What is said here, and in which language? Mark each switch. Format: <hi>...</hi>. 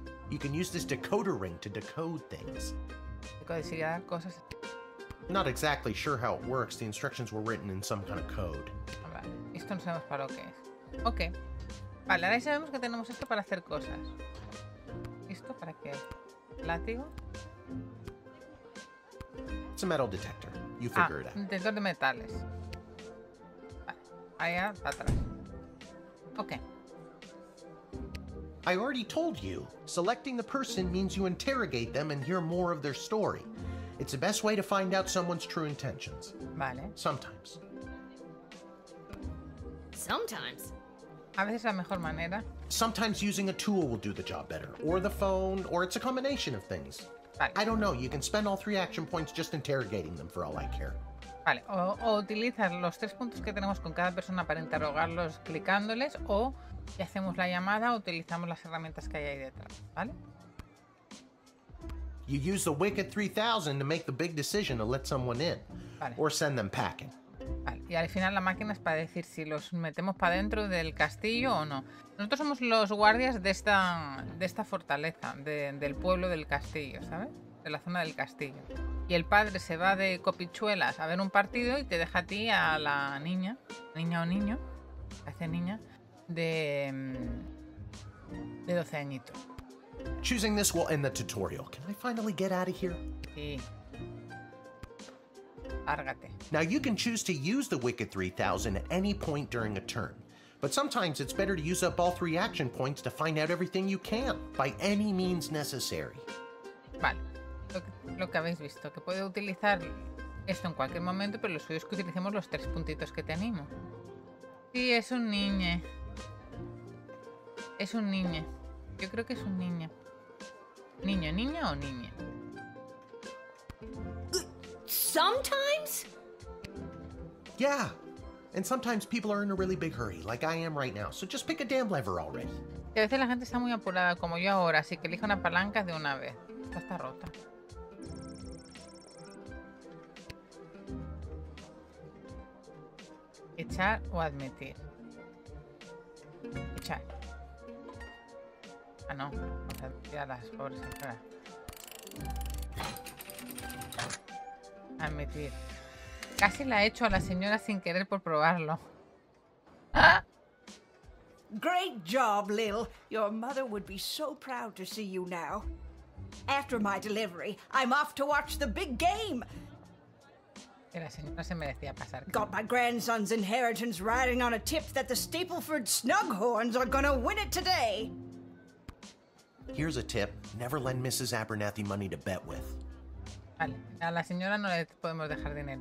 <en>You can use this decoder ring to decode things.</en> <es>Decodificar cosas.</es> <en>Not exactly sure how it works. The instructions were written in some kind of code.</en> <es>Vale, esto no sabemos para lo que es. Ok. Vale, ahora sabemos que tenemos esto para hacer cosas. ¿Esto para qué? ¿Látigo?</es> <en>It's a metal detector. You figure it out.</en> <es>Detector de metales. Vale. Allá atrás. Ok.</es> <en>I already told you, selecting the person means you interrogate them and hear more of their story. It's the best way to find out someone's true intentions.</en> <es>Vale.</es> <en>Sometimes. Sometimes?</en> <es>A veces la mejor manera.</es> <en>Sometimes using a tool will do the job better, or the phone, or it's a combination of things.</en> <es>Vale.</es> <en>I don't know, you can spend all three action points just interrogating them for all I care.</en> <es>Vale, o utilizas los tres puntos que tenemos con cada persona para interrogarlos clicándoles, o y hacemos la llamada o utilizamos las herramientas que hay ahí detrás, ¿vale?</es> <en>You use the Wicked 3000 to make the big decision to let someone in.</en> <es>Vale.</es> <en>Or send them packing.</en> <es>Vale. Y al final la máquina es para decir si los metemos para dentro del castillo o no. Nosotros somos los guardias de esta fortaleza, del pueblo del castillo, ¿sabes? De la zona del castillo. Y el padre se va de copichuelas a ver un partido y te deja a ti, a la niña, niña o niño, hace niña, de 12 añitos.</es> <en>Choosing this will end the tutorial. Can I finally get out of here?</en> <es>Sí. Lárgate.</es> <en>Now you can choose to use the Wicked 3000 at any point during a turn. But sometimes it's better to use up all three action points to find out everything you can, by any means necessary.</en> <es>Vale. Lo que habéis visto, que puede utilizar esto en cualquier momento, pero lo suyo es que utilicemos los tres puntitos que te animo. Sí, es un niño. Es un niño. Yo creo que es un niño. Niño, niña o niña.</es> <en>Sometimes? Yeah. And sometimes people are in a really big hurry, like I am right now. So just pick a damn lever already.</en> <es>Y a veces la gente está muy apurada, como yo ahora, así que elige una palanca de una vez. Esta está rota. Echar o admitir. Echar. Ah, no. Vamos a tirar las pobres. Espera. Admitir. Casi la he hecho a la señora sin querer por probarlo. ¡Ah!</es> <en>Great job, Lil. Your mother would be so proud to see you now. After my delivery, I'm off to watch the big game.</en> <es>Que la señora se merecía pasar.</es> <en>Got my grandson's inheritance riding on a tip that the Stapleford Snughorns are gonna win it today. Here's a tip. Never lend Mrs. Abernathy money to bet with.</en> <es>Vale, a la señora no le podemos dejar dinero.</es>